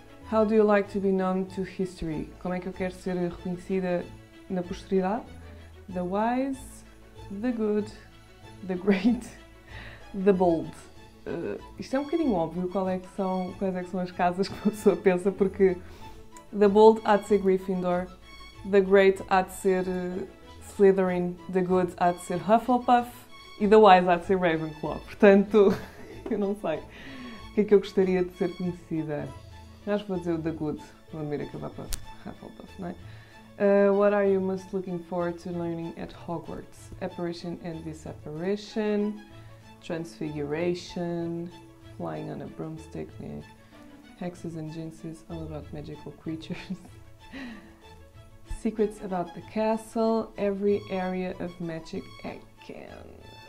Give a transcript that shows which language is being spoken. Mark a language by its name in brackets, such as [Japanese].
[English] How do you like to be known to history? [Portuguese] Como é que eu quero ser reconhecida na posteridade? [English] The wise, the good, the great, the bold. [Portuguese] Isto é um bocadinho óbvio quais é que são as casas que uma pessoa pensa, porque [English] the bold [Portuguese] há de ser Gryffindor, [English] the great [Portuguese] há de ser Slytherin, [English] the good [Portuguese] há de ser Hufflepuff e [English] the wise [Portuguese] há de ser Ravenclaw. Portanto, eu não sei o que é que eu gostaria de ser conhecida. Acho que vou dizer o [English] The Good, [Portuguese] vou me ir acabar para Hufflepuff, não é? [English] What are you most looking forward to learning at Hogwarts? Apparition and disapparition, transfiguration, flying on a broomstick, né? Hexes and jinxes, all about magical creatures. Secrets about the castle, every area of magic I can.